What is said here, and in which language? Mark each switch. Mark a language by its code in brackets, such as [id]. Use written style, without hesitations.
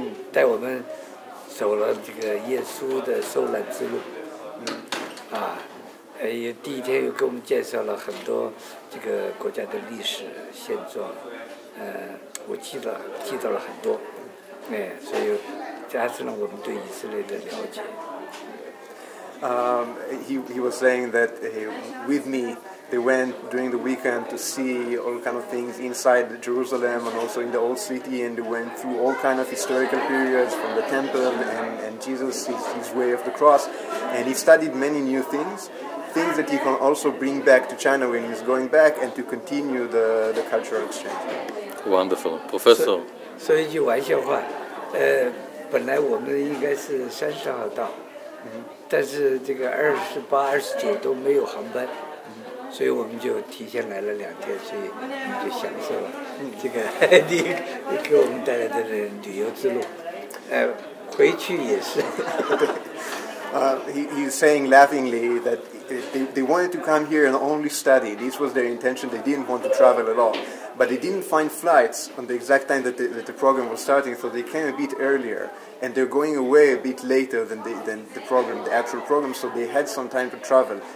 [zh] 带我们走了这个耶稣的受难之路第一天又给我们介绍了很多这个国家的历史现状我记得了很多所以加深了我们对以色列的了解 [en] He was saying that with me they went during the weekend to see all kind of things inside Jerusalem and also in the old city and they went through all kind of historical periods from the temple and Jesus, his way of the cross and he studied many new things that he can also bring back to China when he's going back and to continue the cultural exchange. Wonderful. Professor. [zh] So, 所以一句玩笑话, 本来我们应该是30号到, mm-hmm. 但是这个28、29都没有航班, 所以我们就提前来了两天所以你就享受了这个你给我们带来的旅游之路回去也是 [en] He's saying laughingly that they wanted to come here and only study. This was their intention. They didn't want to travel at all. But they didn't find flights on the exact time that the program was starting, so they came a bit earlier. And they're going away a bit later than the actual program, so they had some time to travel.